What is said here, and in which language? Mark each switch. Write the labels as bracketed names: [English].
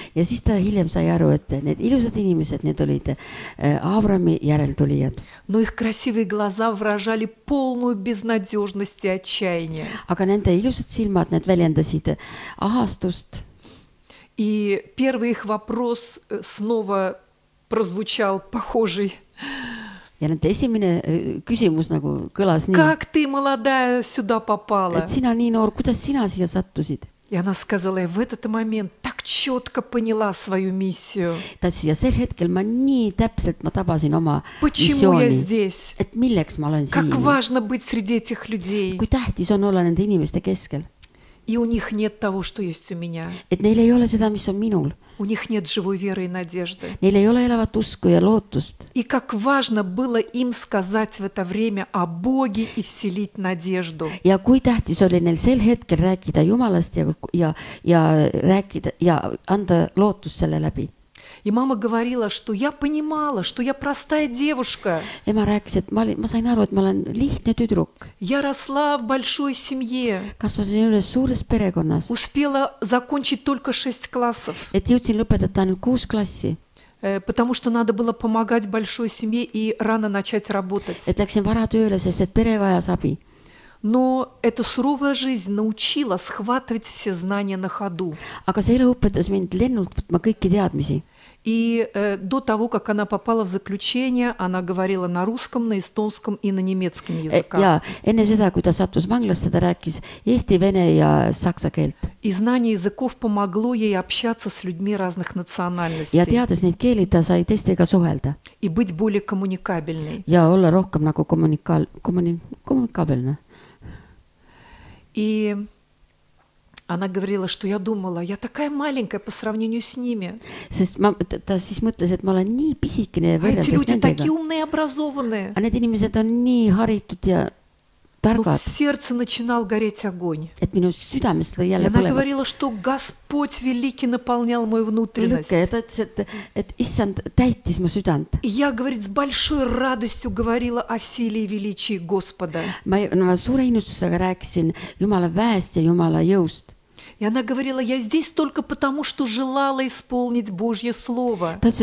[Estonian] Ja siis ta hiljem sai aru, et need ilusad inimesed, need olid Avrami järeltulijad. [Russian] Но их красивые глаза выражали полную безнадежность и отчаяние. [Estonian] Aga nende ilusad silmad, need väljendasid ahastust. [Russian] И первый их вопрос снова прозвучал похожий. [Estonian] Ja nende esimene küsimus nagu kõlas nii. [Russian] Как ты, молодая, сюда попала? [Estonian] Et sina nii noor, kuidas sina siia sattusid? [Russian] И она сказала, я в этот момент так четко поняла свою миссию. [Estonian] Ja sel hetkel ma nii täpselt, ma tabasin oma [Russian] Почему [Estonian] missiooni, [Russian] я здесь? [Estonian] Et milleks ma olen [Russian] как [Estonian] siin? [Russian] Важно быть среди этих людей? [Estonian] Kui tähtis on olla nende inimeste keskel? [Russian] И у них нет того, что есть у меня. [Estonian] Et neil ei ole seda, mis on minul. [Russian] У них нет живой веры и надежды. [Estonian] Neil ei ole elavat usku ja lootust. [Russian] И как важно было им сказать в это время о Боге и вселить надежду. [Estonian] Ja kui tähtis oli neil sel hetkel rääkida Jumalast ja rääkida ja anda lootust selle läbi. [Russian] И мама говорила, что я понимала, что я простая девушка. [Estonian] Ema rääkis, et ma sain aru, et ma olen lihtne tüdruk. [Russian] Я росла в большой семье. [Estonian] Kasvasin üles suures perekonnas. [Russian] Успела закончить только 6 классов. [Estonian] Et jõudsin lõpetada ainult 6 klassi. [Russian] Потому что надо было помогать большой семье и рано начать работать. [Estonian] Et läksin vara tööle, sest et pere vajas abi. [Russian] Но эта суровая жизнь научила схватывать все знания на ходу. [Estonian] Aga see elu õpetas mind lennult võtma kõiki teadmisi. [Russian] И до того, как она попала в заключение, она говорила на русском, на эстонском и на немецком языках. [Estonian] Ja, enne seda, kui ta sattus vanglasse, ta rääkis eesti, vene ja saksa keelt. [Russian] И знание языков помогло ей общаться с людьми разных национальностей. [Estonian] Ja, teades neid keeli, ta sai teistega suhelda. [Russian] И быть более коммуникабельной. [Estonian] Ja, olla rohkem nagu коммуникабельна. [Russian] И она говорила, что я думала, я такая маленькая по сравнению с ними. [Estonian] Та siis мõtles, et ma olen nii pisikine. [Russian] А эти люди такие умные и образованные. [Estonian] А need inimesed on nii haritud ja targad. [Russian] Но в сердце начинал гореть огонь. [Estonian] Et minu südames lõi jälle põlema. [Russian] И она говорила, что Господь великий наполнял мою внутренность. И я, говорит, с большой радостью говорила о силе и величии Господа. [Estonian] Ma suure innustusega rääkisin Jumala väest ja Jumala jõust. [Russian] И она говорила, я здесь только потому, что желала исполнить Божье Слово.